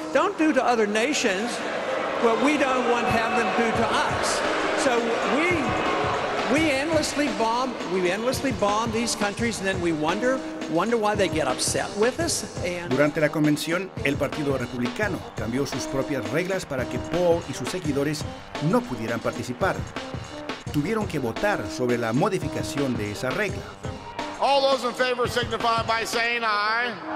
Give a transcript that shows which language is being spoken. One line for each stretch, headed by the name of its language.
English: Don't do to other nations what we don't want to have them do to us. So we endlessly bomb these countries and then we wonder why they get upset with us.
Spanish: Durante la convención, el Partido Republicano cambió sus propias reglas para que Paul y sus seguidores no pudieran participar. Tuvieron que votar sobre la modificación de esa regla.
English: All those in favor signify by saying aye.